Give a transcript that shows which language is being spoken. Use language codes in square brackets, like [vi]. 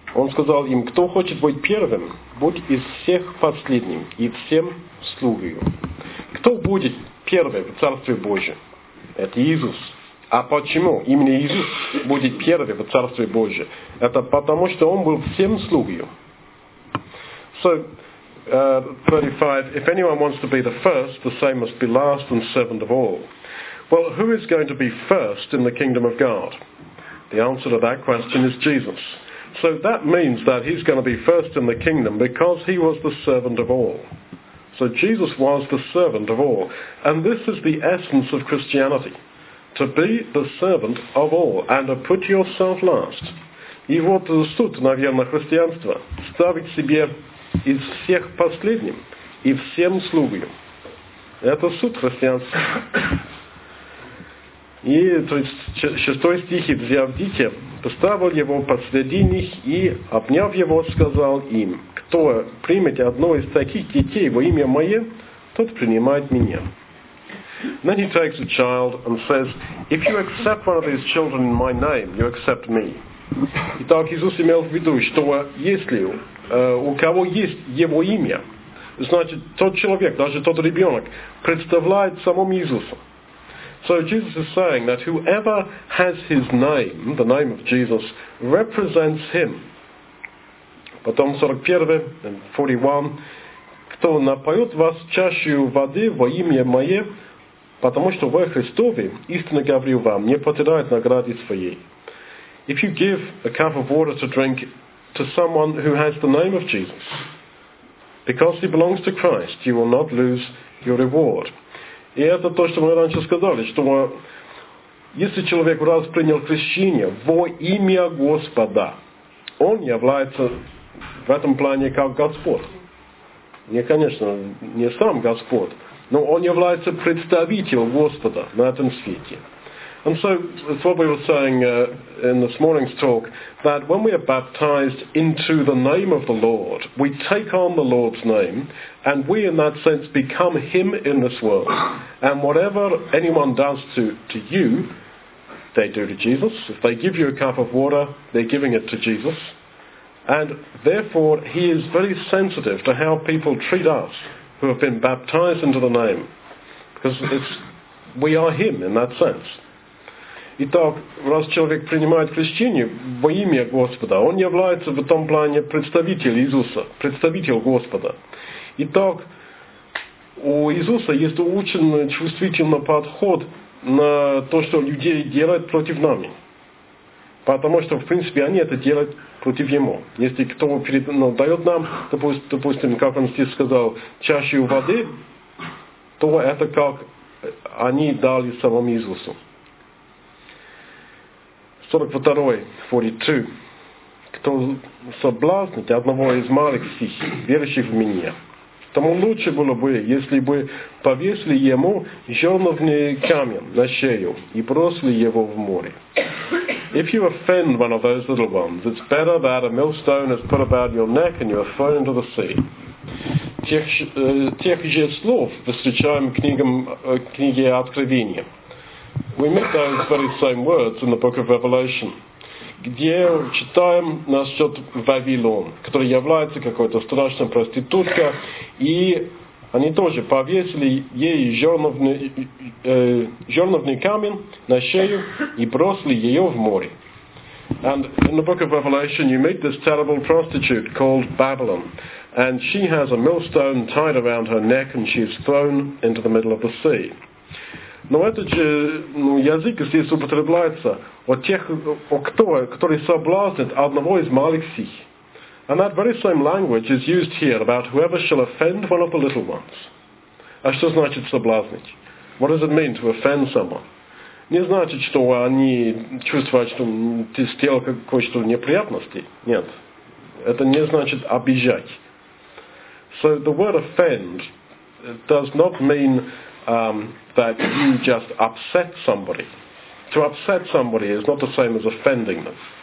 [ru] Он сказал им, кто хочет быть первым, будь из всех последним и всем слугою. Кто будет первым в Царстве Божьем? Это Иисус. А почему именно Иисус будет первым в Царстве Божьем? Это потому, что Он был всем слугою. [en] So, 35, if anyone wants to be the first, the same must be last and servant of all. Well, who is going to be first in the kingdom of God? The answer to that question is Jesus. So that means that he's going to be first in the kingdom because he was the servant of all. So Jesus was the servant of all. And this is the essence of Christianity, to be the servant of all and to put yourself last. [ru] И вот суть, наверное, христианства. Ставить себе из всех последним и всем слугам. Это суть христианства. И 36 стих, взяв дитя, поставил его посреди них и, обняв его, сказал им, кто примет одно из таких детей во имя мое, тот принимает меня. [en] Then he takes a child and says, if you accept one of these children in my name, you accept me. [ru] Итак, Иисус имел в виду, что если у кого есть его имя, значит, тот человек, даже тот ребенок, представляет самому Иисусу. [en] So Jesus is saying that whoever has his name, the name of Jesus, represents him. [ru] Потом 41, 41, кто напоет вас чашею воды во имя мое, потому что вы Христовы, истинно говорю вам, не потеряет награды своей. [en] If you give a cup of water to drink to someone who has the name of Jesus, because he belongs to Christ, you will not lose your reward. [ru] И это то, что мы раньше сказали, что если человек раз принял крещение во имя Господа, он является в этом плане как Господь. Не, конечно, не сам Господь, но он является представителем Господа на этом свете. [en] And so, it's what we were saying in this morning's talk, that when we are baptized into the name of the Lord, we take on the Lord's name, and we in that sense become Him in this world. And whatever anyone does to you, they do to Jesus. If they give you a cup of water, they're giving it to Jesus. And therefore, he is very sensitive to how people treat us who have been baptized into the name. Because we are him in that sense. [ru] Итак, раз человек принимает крещение во имя Господа, он является в этом плане представителем Иисуса, представителем Господа. Итак, у Иисуса есть очень чувствительный подход на то, что людей делают против нами. Потому что, в принципе, они это делают против Ему. Если кто дает нам, допустим, как он здесь сказал, чашу воды, то это как они дали самому Иисусу. 42-й, 42-й. Кто соблазнит одного из малых сих, верующих в меня, тому лучше было бы, если бы повесили ему жерновный камень на шею и бросили его в море. [en] If you offend one of those little ones, it's better that a millstone is put about your neck and you are thrown into the sea. [ru] Тех же слов встречаем книге Откровения. [en] We meet those very same words in the book of Revelation, [ru] где читаем насчет Вавилон, который является какой-то страшной проституткой, и они тоже повесили ей жерновный камень на шею и бросили ее в море. [en] And in the book of Revelation, you meet this terrible prostitute called Babylon, and she has a millstone tied around her neck, and she is thrown into the middle of the sea. [ru] Но этот же язык здесь употребляется который соблазнит одного из малых сих. [en] And that very same language is used here about whoever shall offend one of the little ones. [ru] А что значит соблазнить? [en] What does it mean to offend someone? [ru] Не значит, что они чувствуют, что ты сделал какое-то неприятности. Нет. Это не значит обижать. [en] So the word offend does not mean that you just upset somebody. To upset somebody is not the same as offending them.